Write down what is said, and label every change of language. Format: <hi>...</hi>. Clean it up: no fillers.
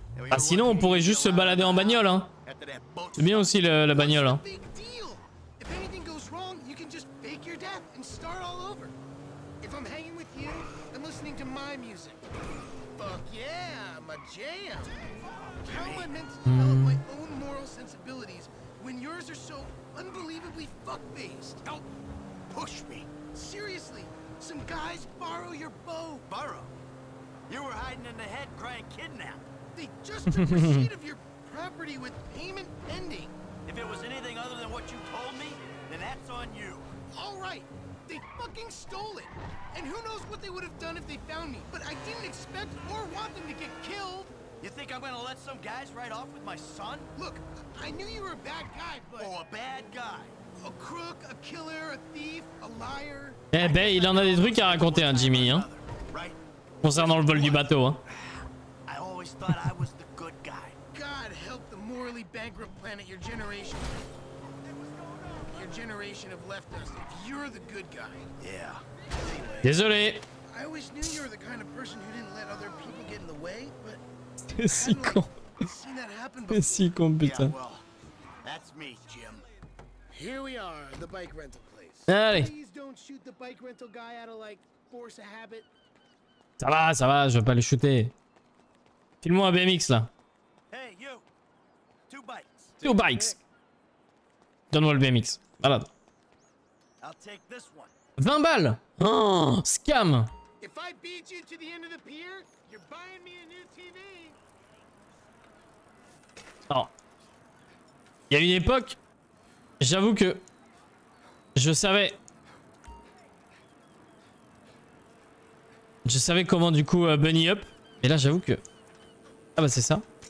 <fr>Ah sinon on pourrait juste se balader en bagnole hein. C'est bien aussi la bagnole hein.</fr> <en>If anything goes wrong, you can just fake your death and start all over. If I'm hanging with you, I'm listening to my music. Fuck yeah, my jam. How am I meant to develop my own moral sensibilities when yours are so unbelievably fuck-based? Don't push me. Seriously, some guys borrow your bow. Borrow? You were hiding in the head crying kidnap. They just took receipt of your property with payment pending. If it was anything other than what you told me, then that's on you. All right. They fucking stole it. And who knows what they would have done if they found me. But I didn't expect or want them to get killed. You think I'm gonna let some guys ride off with my son? Look, I knew you were a bad guy, but... Oh, a bad guy. A crook, a killer, a thief, a liar.</en> <fr>Eh ben, il en a des trucs à raconter, hein, Jimmy, hein. Concernant le vol du bateau, hein.</fr> <en>Thought I was the good guy. God help the morally bankrupt planet your generation. Your generation have left us. If you're the good guy. Yeah.</en> <fr>Désolé.</fr> <en>I always knew you were the kind of person who didn't let other people get in the way, but seen that happen before.</en> <fr>C'est si con, putain.</fr> <en>Yeah, well, that's me, Jim. Here we are, the bike rental place.</en> <fr>Allez.</fr> <en>Please don't shoot the bike rental guy out of like force of habit.</en> <fr>Ça va, je vais pas le shooter. File-moi un BMX là.</fr> <en>Hey, you. Two bikes. Two bikes.</en> <fr>Donne-moi le BMX. Malade.</fr> <en>I'll take this one.</en> <fr>20 balles. Oh, scam.</fr> <en>If I beat you to the end of the pier, you're buying me a new TV.</en> <fr>Alors, il y a une époque, j'avoue que je savais comment du coup bunny up, mais là j'avoue que ah bah c'est ça.</fr>